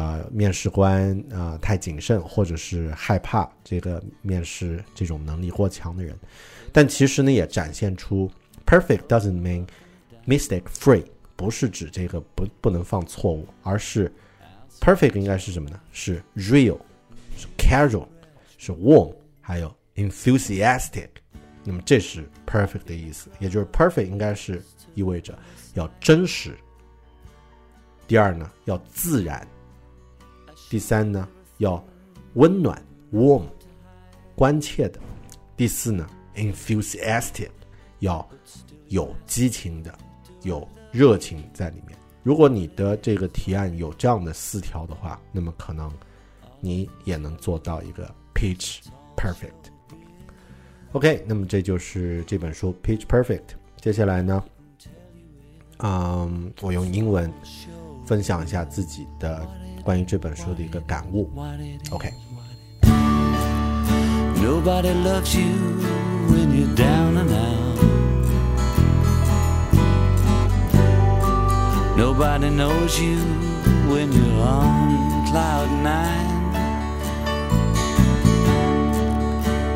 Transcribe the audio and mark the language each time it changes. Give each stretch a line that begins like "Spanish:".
Chinese: 面试官太谨慎，或者是害怕这个面试这种能力过强的人。但其实呢，也展现出
English: perfect doesn't mean mistake free，
Chinese: 不是指这个 不能犯错误，而是 perfect 应该是什么呢？是 real， 是 casual， 是 warm， 还有 enthusiastic。那么这是 perfect 的意思，也就是 perfect 应该是意味着要真实，第二呢要自然，第三呢要温暖 warm 关切的，第四呢 enthusiastic 要有激情的，有热情在里面。如果你的这个提案有这样的四条的话，那么可能你也能做到一个 pitch perfect。 OK， 那么这就是这本书 pitch perfect。接下来呢，我用英文分享一下自己的关于这本书的一个感悟。
English: OK， Nobody loves you when you're down and out. Nobody knows you when you're on cloud nine.